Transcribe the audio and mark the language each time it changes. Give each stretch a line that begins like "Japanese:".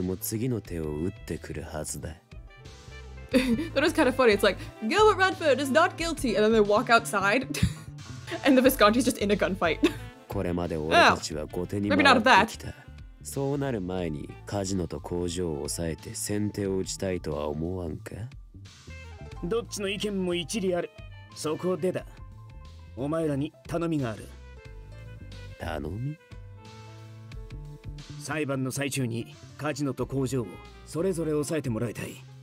Japanese: 裁判前に動くのは危険が大きい。ディスコンティが動いていると知られれば、ギルバートの裁判に不利に働くだろう。しかし、レッドフォードが勝訴すれば、連中も次の手を打ってくるはずだ。
English: That was kind of funny. It's like, Gilbert Radford is not guilty, and then they walk outside, and the Visconti's just in a gunfight.
Japanese: これまで俺たちは後手に回ってきた。そうなる前にカジノと工場を抑えて先手を打ちたいとは思わんか?どっちの意見も一理ある。そこを出だ。お前らに頼みがある。頼み?裁判の最中にカジノと工場をそれぞれ抑えてもらいたい。